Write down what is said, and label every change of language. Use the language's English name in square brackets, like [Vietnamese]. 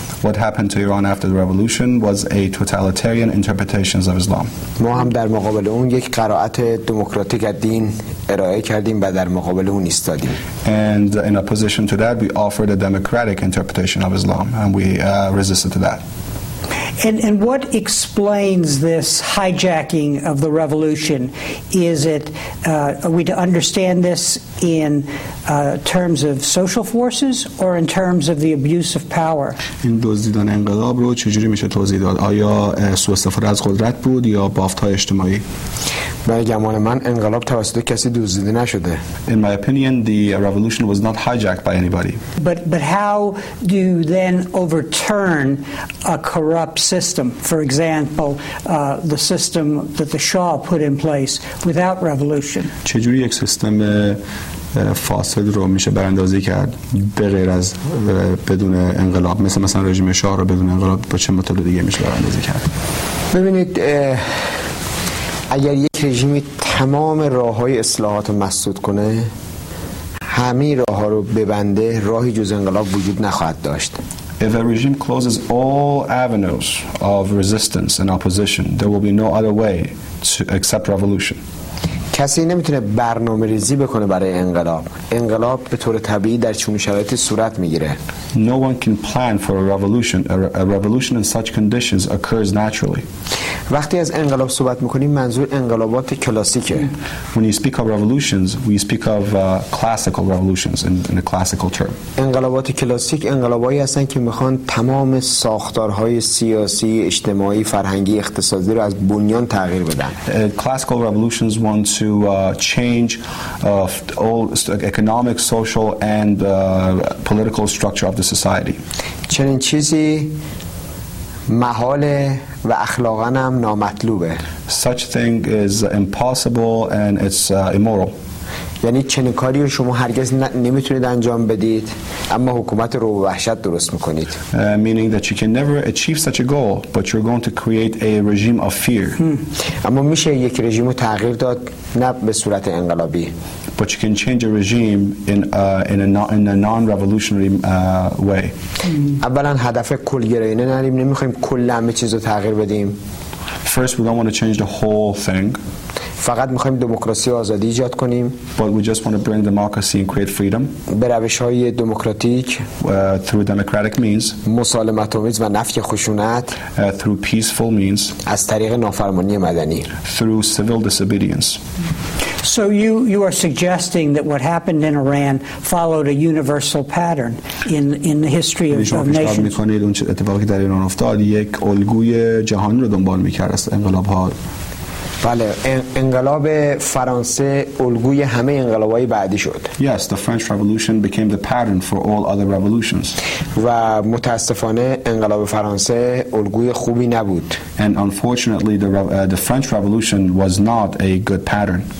[English] What happened to Iran after the revolution was a totalitarian interpretation of Islam. [Persian] ما هم در مقابل اون یک قرائت دموکراتیک از دین ارائه کردیم و در مقابل اون ایستادیم. [English] And in opposition to that we offered a democratic interpretation of Islam and we resisted to that. And what explains this hijacking of the revolution? Is it are we to understand this in terms of social forces or in terms of the abuse of power? [Persian] این دزدیدن انقلاب رو چجوری میشه توضیح داد؟ آیا سوء استفاده از قدرت بود یا بافت‌های اجتماعی؟ برای گمان من انقلاب توسط کسی دزدیده نشده. [English] In my opinion, the revolution was not hijacked by anybody. But how do you then overturn a corrupt system? For example, the system that the Shah put in place without revolution. [Persian] چجوری یک سیستم فاسد رو میشه براندازی کرد به غیر از بدون انقلاب؟ مثلا رژیم شاه رو بدون انقلاب با چه متد دیگه میشه براندازی کرد؟ ببینید اگر یک رژیمی تمام راه های اصلاحات رو مسدود کنه، همه راه ها رو ببنده، راهی جز انقلاب وجود نخواهد داشت. [English] If a regime closes all avenues of resistance and opposition, there will be no other way to accept revolution. [Persian] کسی نمیتونه برنامه ریزی بکنه برای انقلاب. انقلاب به طور طبیعی در چنین شرایطی صورت میگیره. [English] No one can plan for a revolution. A revolution in such conditions occurs naturally. [Persian] وقتی از انقلاب صحبت میکنیم منظور انقلابات کلاسیکه. [English] When you speak of revolutions, we speak of classical revolutions in a classical term. [Persian] انقلابات کلاسیک انقلابایی هستن که میخوان تمام ساختارهای سیاسی، اجتماعی، فرهنگی، اقتصادی رو از بنیان تغییر بدن. [English] Classical revolutions want to change all economic, social and political structure of the society. [Persian] چنین چیزی محاله و اخلاقا هم نامطلوبه. [English] Such thing is impossible and it's immoral. [Persian] یعنی چنین کاری رو شما هرگز نمیتونید انجام بدید اما حکومت رو به وحشت درست میکنید. [English] Meaning that you can never achieve such a goal but you're going to create a regime of fear. [Persian] اما میشه یک رژیم رو تغییر داد نه به صورت انقلابی. [English] But you can change a regime in a non-revolutionary way. [Persian] اولا هدف کلگرایانه نداریم، نمیخوایم کل همه چیز رو تغییر بدیم. [English] First we don't want to change the whole thing. [Persian] فقط میخوایم دموکراسی و آزادی ایجاد کنیم. [English] But we just want to bring democracy and create freedom. [Persian] به روش‌های دموکراتیک. [English] Through democratic means. [Persian] مسالمت‌آمیز و نفی خشونت. [English] Through peaceful means. [Persian] از طریق نافرمانی مدنی. [English] Through civil disobedience. So you are suggesting that what happened in Iran followed a universal pattern in the history of nations. [Persian] شما می‌خواید اون اتفاقی که در ایران افتاد یک الگوی جهانی رو دنبال می‌کرد از انقلاب‌ها. بله، انقلاب فرانسه الگوی همه انقلاب‌های بعدی شد. [English] Yes, the French Revolution became the pattern for all other revolutions. [Persian] و متأسفانه انقلاب فرانسه الگوی خوبی نبود. [English] And unfortunately the French Revolution was not a good pattern.